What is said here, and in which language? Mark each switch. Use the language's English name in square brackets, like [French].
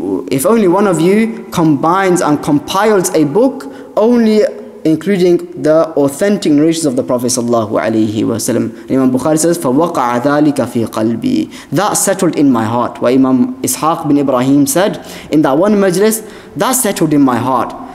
[English] If only one of you combines and compiles a book only including the authentic narrations of the Prophet sallallahu alayhi wa sallam. Imam Bukhari says, [Arabic] فَوَقَعَ ذَلِكَ فِي قَلْبِي. [English] That settled in my heart. What Imam Ishaq bin Ibrahim said in that one majlis, that settled in my heart.